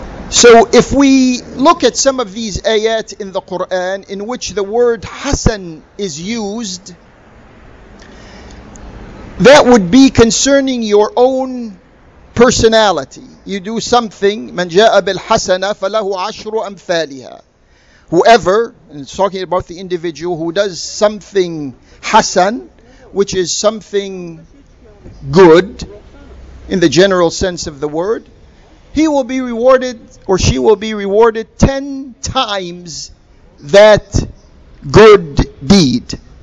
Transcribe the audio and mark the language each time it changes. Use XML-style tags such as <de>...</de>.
<en>So if we look at some of these ayat in the Quran in which the word Hasan is used, that would be concerning your own personality. You do something,</en> <ar>من جاء بالحسنة فله عشر أمثالها.</ar> <en>Whoever, and it's talking about the individual who does something حسن, which is something good in the general sense of the word, he will be rewarded, or she will be rewarded 10 times that good deed.</en>